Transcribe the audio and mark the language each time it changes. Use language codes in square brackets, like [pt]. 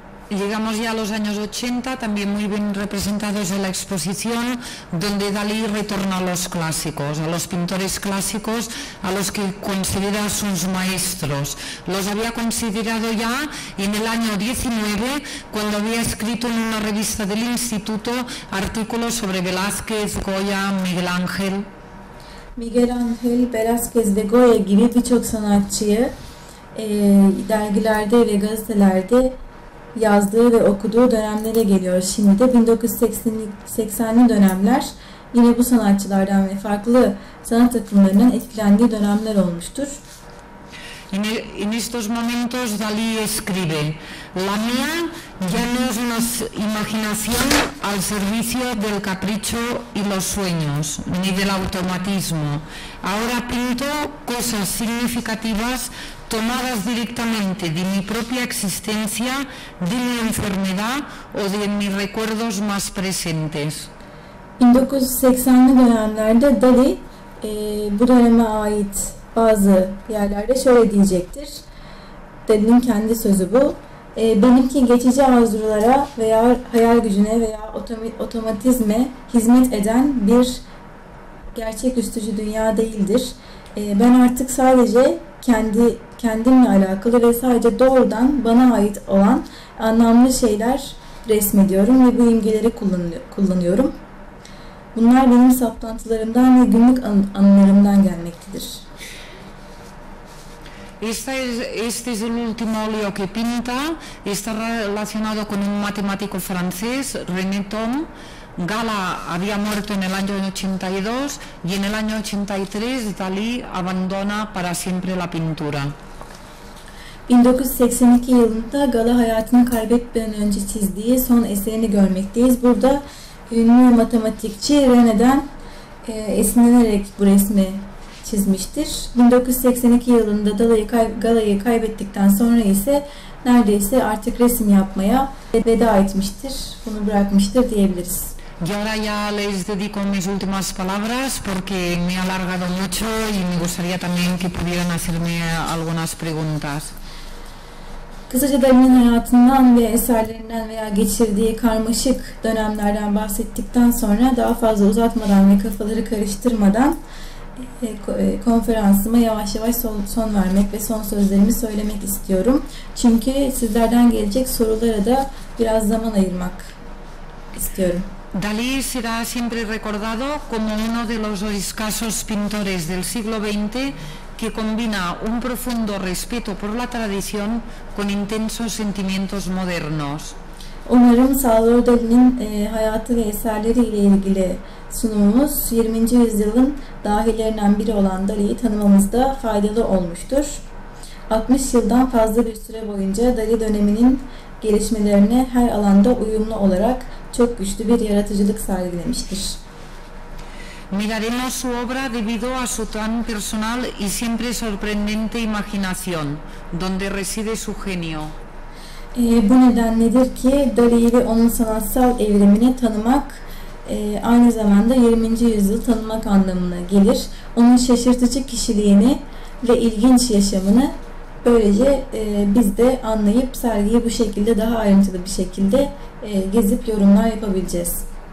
[es] Llegamos ya a los años 80, también muy bien representados en la exposición, donde Dalí retorna a los clásicos, a los pintores clásicos, a los que considera sus maestros. Los había considerado ya en el año 19, cuando había escrito en una revista del instituto artículos sobre Velázquez, Goya, Miguel Ángel. [tr] Miguel Ángel, Velázquez ve Goya gibi birçok sanatçıyı dergilerde ve gazetelerde yazdığı ve okuduğu dönemlere geliyor. Şimdi de 1980'li dönemler yine bu sanatçılardan ve farklı sanat akımlarının etkilendiği dönemler olmuştur. [es] En estos momentos Dalí escribe: La mía ya no es una imaginación al servicio del capricho y los sueños, ni del automatismo. Ahora pinto cosas significativas tomadas directamente de mi propia existencia, de mi enfermedad o de mis recuerdos más presentes. [tr] 1980'li dönemlerde Dalí bu döneme ait bazı yerlerde şöyle diyecektir. Dalí'nin kendi sözü bu. Benimki geçici arzulara veya hayal gücüne veya otomatizme hizmet eden bir gerçeküstücü dünya değildir. Ben artık sadece kendimle alakalı ve sadece doğrudan bana ait olan anlamlı şeyler resmediyorum ve bu imgeleri kullanıyorum. Bunlar benim saplantılarımdan ve günlük anılarımdan gelmektedir. [es] Este es el último óleo que pinta, está relacionado con un matemático francés, René Thom. Gala había muerto en el año 82 y en el año 83 Dalí abandona para siempre la pintura. [tr] 1982 yılında Gala hayatını kaybetmeden önce çizdiği son eserini görmekteyiz. Burada ünlü matematikçi René'den esinlenerek bu resmi çizmiştir. 1982 yılında Galayı kaybettikten sonra ise neredeyse artık resim yapmaya veda etmiştir, bunu bırakmıştır diyebiliriz. [es] Y ahora ya les dedico mis últimas palabras porque me he alargado mucho y me gustaría también que pudieran hacerme algunas preguntas. [tr] Kısaca Dalí'nin hayatından ve eserlerinden veya geçirdiği karmaşık dönemlerden bahsettikten sonra daha fazla uzatmadan ve kafaları karıştırmadan konferansıma yavaş yavaş son vermek ve son sözlerimi söylemek istiyorum. Çünkü sizlerden gelecek sorulara da biraz zaman ayırmak istiyorum. [es] Dalí será siempre recordado como uno de los escasos pintores del siglo XX que combina un profundo respeto por la tradición con intensos sentimientos modernos. [tr] Umarım Salvador Dalí'nin hayatı ve eserleriyle ilgili sunumumuz 20. yüzyılın dahilerinden biri olan Dalí'yi tanımamızda faydalı olmuştur. 60 yıldan fazla bir süre boyunca Dalí döneminin gelişmelerine her alanda uyumlu olarak çok güçlü bir yaratıcılık sergilemiştir. [es] Miraremos su obra debido a su tan personal y siempre sorprendente imaginación, donde reside su genio. [tr] Bu nedenledir ki Dalí'yi ve onun sanatsal evrimini tanımak aynı zamanda 20. yüzyıl tanımak anlamına gelir. Onun şaşırtıcı kişiliğini ve ilginç yaşamını böylece biz de anlayıp sergiyi bu şekilde daha ayrıntılı bir şekilde gezip yorumlar yapabileceğiz.